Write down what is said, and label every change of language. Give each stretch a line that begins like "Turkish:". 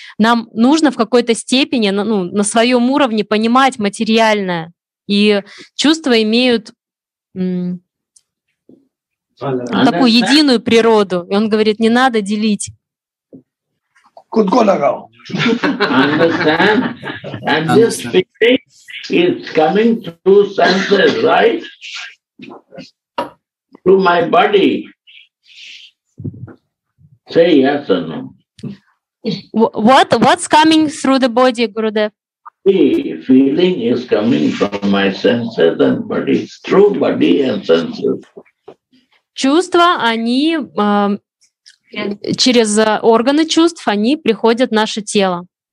Russian: Нам нужно в какой-то степени, ну, на своем уровне понимать материальное. И чувства имеют такую единую природу. И он говорит, не надо делить.
English: Could go now. Understand? And this feeling is coming through senses, right? Through my body. Say yes or no. What's coming through the body, Gurudev? The feeling is coming from my senses and body, through body and senses.
Russian: Чувства, они через органы чувств, они приходят в наше тело.